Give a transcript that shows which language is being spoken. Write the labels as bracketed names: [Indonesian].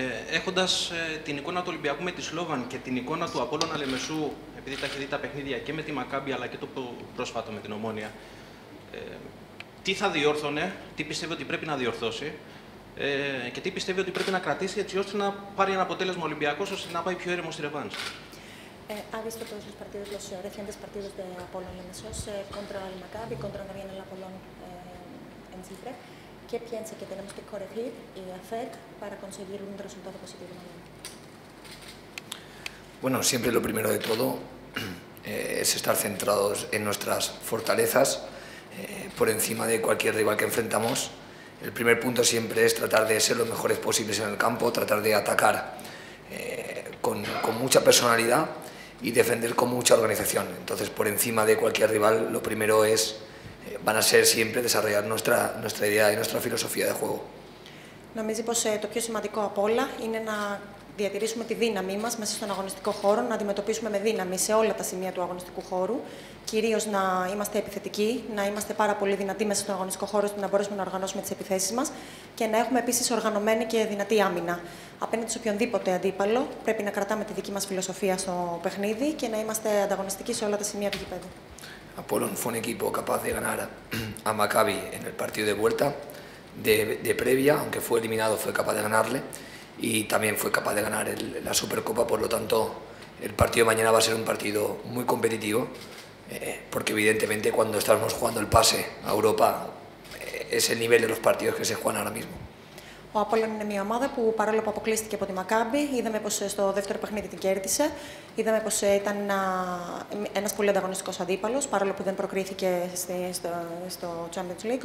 [Greek] Έχοντας την εικόνα του Ολυμπιακού με τη Σλόβαν και την εικόνα του Απόλλωνα Λεμεσού, επειδή τα έχει δει τα παιχνίδια και με τη Μακάμπη αλλά και το πρόσφατο με την Ομόνια, τι θα διόρθωνε, τι πιστεύει ότι πρέπει να διορθώσει και τι πιστεύει ότι πρέπει να κρατήσει έτσι ώστε να πάρει ένα αποτέλεσμα Ολυμπιακός ώστε να πάει πιο έρεμο στη ρεβάνς? Άβησε το τέλος παρτίδος του ρεφιάντες παρτίδος του Απόλλωνα Λεμεσός κόντρα η Μακάμπη, κόντρα να βγαίνει Απόλλων εν Τσίπρε. [Spanish] ¿Qué piensa que tenemos que corregir y hacer para conseguir un resultado positivo mañana? Bueno, siempre lo primero de todo es estar centrados en nuestras fortalezas por encima de cualquier rival que enfrentamos. El primer punto siempre es tratar de ser los mejores posibles en el campo, tratar de atacar con mucha personalidad y defender con mucha organización. Entonces, por encima de cualquier rival, lo primero es van a ser siempre desarrollar nuestra idea y nuestra filosofía de juego. [Greek] Νομίζω πως το πιο σημαντικό από όλα είναι να διατηρήσουμε τη δύναμή μας μέσα στον αγωνιστικό χώρο, να αντιμετωπίσουμε με δύναμη σε όλα τα σημεία του αγωνιστικού χώρου, κυρίως να είμαστε επιθετικοί, να είμαστε πάρα πολύ δυνατοί μέσα στον αγωνιστικό χώρο, ώστε να μπορέσουμε να οργανώσουμε τις επιθέσεις μας και να έχουμε επίσης οργανωμένη και δυνατή άμυνα. Απέναντι σε οποιονδήποτε αντίπαλο, πρέπει να κρατάμε τη δική μας φιλοσοφία στο παιχνίδι και να είμαστε ανταγωνιστικοί σε όλα τα σημεία του γηπέδου. [Spanish] Apollon fue un equipo capaz de ganar a Maccabi en el partido de vuelta. De previa, aunque fue eliminado, fue capaz de ganarle y también fue capaz de ganar la Supercopa. Por lo tanto, el partido de mañana va a ser un partido muy competitivo, porque evidentemente cuando estamos jugando el pase a Europa es el nivel de los partidos que se juegan ahora mismo. [Greek] Ο Απόλλων είναι μια ομάδα που παρόλο που αποκλείστηκε από τη Μακάμπη, είδαμε πως στο δεύτερο παιχνίδι την κέρδισε. Είδαμε πως ήταν ένας πολύ ανταγωνιστικός αντίπαλος, παρόλο που δεν προκρίθηκε στο Champions League.